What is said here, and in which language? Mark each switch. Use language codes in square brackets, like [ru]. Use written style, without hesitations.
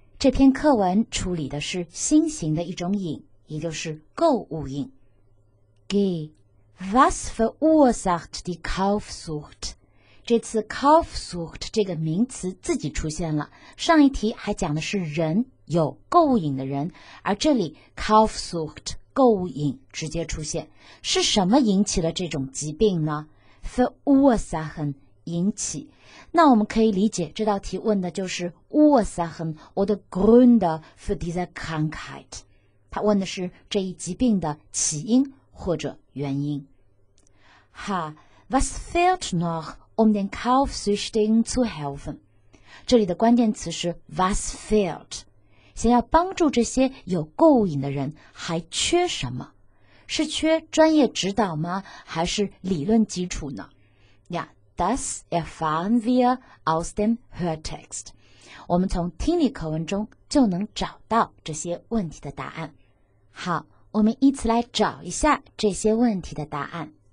[zh] 这篇课文处理的是新型的一种瘾，也就是购物瘾。 [de] Was verursacht die Kaufsucht? [zh] 这次 Kaufsucht 这个名词自己出现了。上一题还讲的是人，有购物瘾的人，而这里 Kaufsucht 购物瘾直接出现。是什么引起了这种疾病呢？ Verursachen 引起。那我们可以理解这道题问的就是 [de] Ursachen oder Gründe für diese Krankheit。 [zh] 他问的是这一疾病的起因或者原因。 [de] Ha, was fehlt noch, um den Kaufsüchtigen zu helfen? [zh] 这里的关键词是 [de] was fehlt. [zh] 想要帮助这些有购物瘾的人，还缺什么？是缺专业指导吗？还是理论基础呢？ [de] Ja, das erfahren wir aus dem Hörtext. [zh] 我们从听力课文中就能找到这些问题的答案。好，我们依次来找一下这些问题的答案。